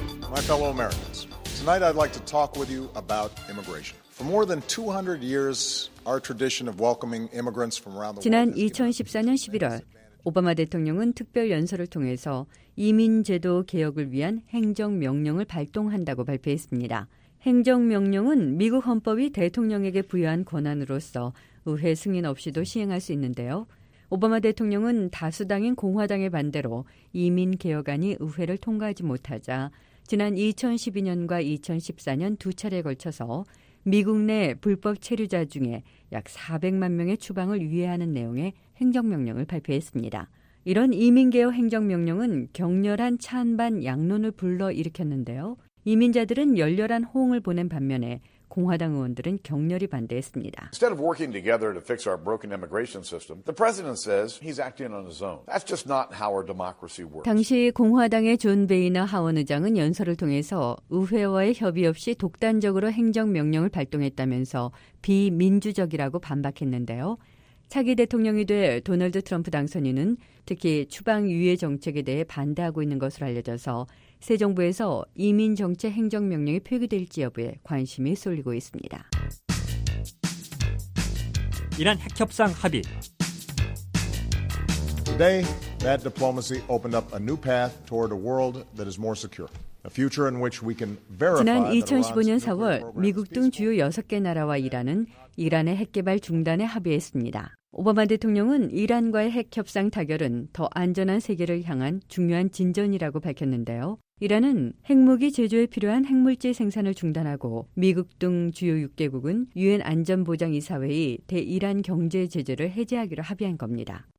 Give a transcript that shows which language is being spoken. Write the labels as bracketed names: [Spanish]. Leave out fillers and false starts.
[English] My fellow Americans, tonight I'd like to talk with you about immigration. For more than 200 years, our tradition of welcoming immigrants from around the world. [Korean] 지난 2014년 11월 오바마 대통령은 특별 연설을 통해서 이민 제도 개혁을 위한 행정명령을 발동한다고 발표했습니다. 행정명령은 미국 헌법이 대통령에게 부여한 권한으로서 의회 승인 없이도 시행할 수 있는데요. 오바마 대통령은 다수당인 공화당의 반대로 이민 개혁안이 의회를 통과하지 못하자 지난 2012년과 2014년 두 차례에 걸쳐서 미국 내 불법 체류자 중에 약 400만 명의 추방을 유예하는 내용의 행정명령을 발표했습니다. 이런 이민개혁 행정명령은 격렬한 찬반 양론을 불러일으켰는데요. 이민자들은 열렬한 호응을 보낸 반면에 공화당 의원들은 격렬히 반대했습니다. [English] Instead of working together to fix our broken immigration system, the president says he's acting on his own. That's just not how our democracy works. [Korean] 당시 공화당의 존 베이너 하원 의장은 연설을 통해서 의회와의 협의 없이 독단적으로 행정명령을 발동했다면서 비민주적이라고 반박했는데요. 차기 대통령이 돼 도널드 트럼프 당선인은 특히 추방 유예 정책에 대해 반대하고 있는 것으로 알려져서 새 정부에서 이민 정책 행정명령이 폐기될지 여부에 관심이 쏠리고 있습니다. 이란 핵협상 합의. [English] Today, That diplomacy opened up a new path toward a world that is more secure. A future in which we can verify. [Korean] 지난 2015년 4월 미국 등 주요 6개 나라와 이란은 이란의 핵개발 중단에 합의했습니다. 오바마 대통령은 이란과의 핵 협상 타결은 더 안전한 세계를 향한 중요한 진전이라고 밝혔는데요. 이란은 핵무기 제조에 필요한 핵물질 생산을 중단하고 미국 등 주요 6개국은 유엔 안전보장이사회의 대이란 경제 제재를 해제하기로 합의한 겁니다.